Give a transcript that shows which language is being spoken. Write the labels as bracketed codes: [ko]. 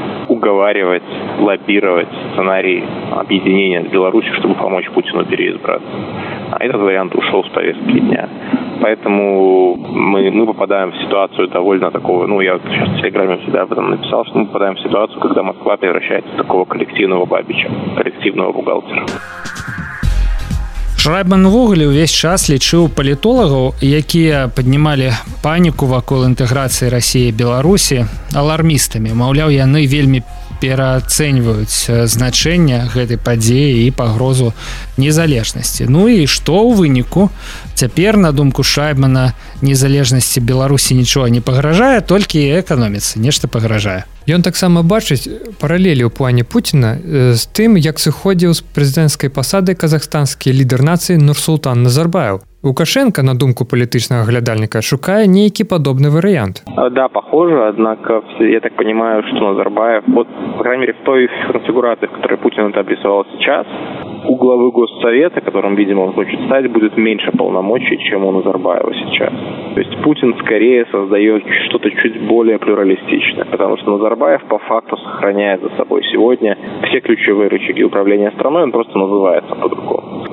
[ru] уговаривать, лоббировать сценарий объединения с Беларусью, чтобы помочь Путину переизбраться. А этот вариант ушел с повестки дня. Поэтому мы попадаем в ситуацию довольно такого, ну, я сейчас в Телеграме всегда об этом написал, что мы попадаем в ситуацию, когда Москва превращается в такого коллективного бабича, коллективного бухгалтера. [be] Шрайбан увогуле увесь час лічыў палітолагаў, якія паднімалі паніку вакол інтэграцыі Расіі і Беларусі алармістамі. Маўляў, яны вельмі пераацэньваюць значэнне гэтай падзеі і пагрозу незалежнасці. Ну і што ў выніку? Цяпер, на думку Шрайбана, незалежнасці Беларусі нічога не пагражае, толькі эканоміцы нешта пагражае. Ён таксама бачыць паралелі ў плане Пуціна з тым, як сыходзіў з прэзідэнцкай пасады казахстанскі лідар нацыі Нурсултан Назарбаев. Лукашенко, на думку палітычнага глядальніка, шукае нейкі падобны варыянт. [ru] Да, похоже, аднак я так понимаю, што Назарбаев, вот, по крайней мере, в той конфигурации, в которой Путин это обрисовал сейчас, у главы Госсовета, которым, видимо, он хочет стать, будет меньше полномочий, чем у Назарбаева сейчас. То есть Путин скорее создает что-то чуть более плюралистичное, потому что Назарбаев по факту сохраняет за собой сегодня все ключевые рычаги управления страной, он просто называется по-другому.